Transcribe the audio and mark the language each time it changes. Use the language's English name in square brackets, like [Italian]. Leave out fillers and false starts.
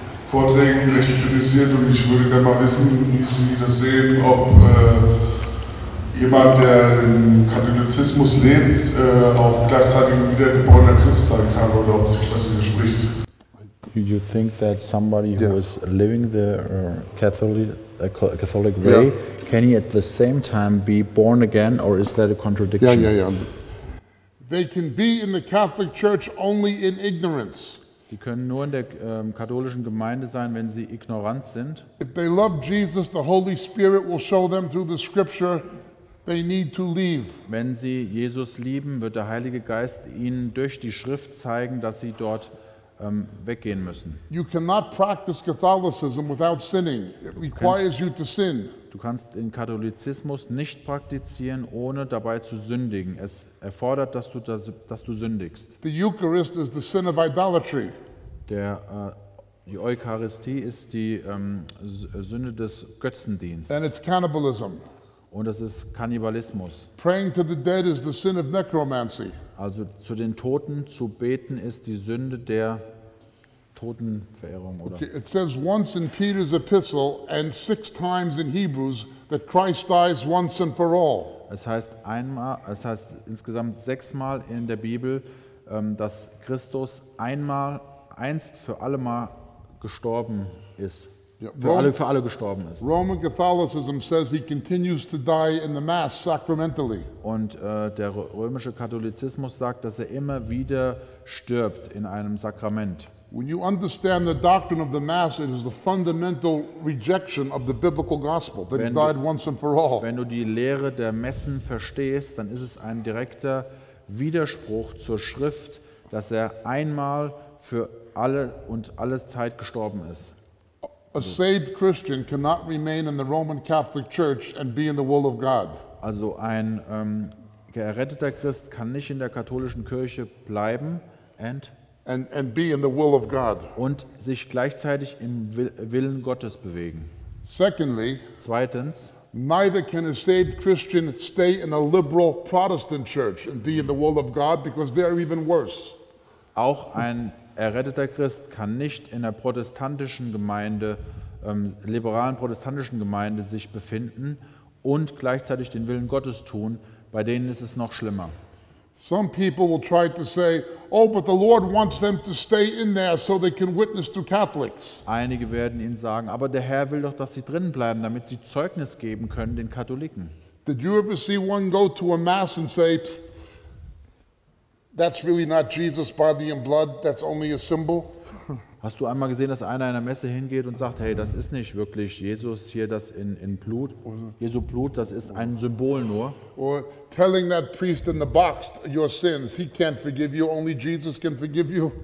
[German] Vorträgen recht kritisiert und ich würde gerne mal wissen, wie Sie das sehen, ob jemand, der im Katholizismus lebt, auch gleichzeitig ein wiedergeborener Christ sein kann oder ob sich das widerspricht. [English] Do you think that somebody who is living the Catholic way, can he at the same time be born again or is that a contradiction? They can be in the Catholic Church only in ignorance. [German] Sie können nur in der katholischen Gemeinde sein, wenn sie ignorant sind. [English] If they love Jesus, the Holy Spirit will show them through the scripture they need to leave. [German] Wenn sie Jesus lieben, wird der Heilige Geist ihnen durch die Schrift zeigen, dass sie dort weggehen müssen. [English] You cannot practice Catholicism without sinning. It requires you to sin. [German] Du kannst den Katholizismus nicht praktizieren, ohne dabei zu sündigen. Es erfordert, dass du sündigst. [English] The Eucharist is the sin of idolatry. [German] Die Eucharistie ist die Sünde des Götzendienstes. [English] And it's cannibalism. [German] Und es ist Kannibalismus. [English] Praying to the dead is the sin of necromancy. [German] Also zu den Toten zu beten ist die Sünde der Totenverehrung, oder? [English] It says once in Peter's epistle and six times in Hebrews that Christ dies once and for all. [German] Es heißt insgesamt sechsmal in der Bibel, dass Christus einst für alle Mal gestorben ist. Für alle gestorben ist. [English] Roman Catholicism says he continues to die in the Mass sacramentally. [German] Und der römische Katholizismus sagt, dass er immer wieder stirbt in einem Sakrament. [English] When you understand the doctrine of the Mass, it is the fundamental rejection of the biblical gospel that died once and for all. [German] Wenn du die Lehre der Messen verstehst, dann ist es ein direkter Widerspruch zur Schrift, dass er einmal für alle und alle Zeit gestorben ist. [English] A saved Christian cannot remain in the Roman Catholic Church and be in the will of God. [German] Also ein geretteter Christ kann nicht in der katholischen Kirche bleiben [English] and be in the will of God [German] und sich gleichzeitig im Willen Gottes bewegen. [English] Secondly, [German] zweitens, [English] neither can a saved Christian stay in a liberal Protestant church and be in the will of God, because they are even worse. [German] Auch ein erretteter Christ kann nicht in der protestantischen Gemeinde, liberalen protestantischen Gemeinde sich befinden und gleichzeitig den Willen Gottes tun. Bei denen ist es noch schlimmer. [English] Some people will try to say, oh, but the Lord wants them to stay in there so they can witness to Catholics. [German] Einige werden ihnen sagen, aber der Herr will doch, dass sie drin bleiben, damit sie Zeugnis geben können den Katholiken. [English] Did you ever see one go to a mass and say, psst, that's really not Jesus body and blood, that's only a symbol? [German] Hast du einmal gesehen, dass einer in einer Messe hingeht und sagt, hey, das ist nicht wirklich Jesus hier, das in Blut, Jesu Blut, das ist ein Symbol nur? [English] Or telling that priest in the box your sins, he can't forgive you, only Jesus can forgive you.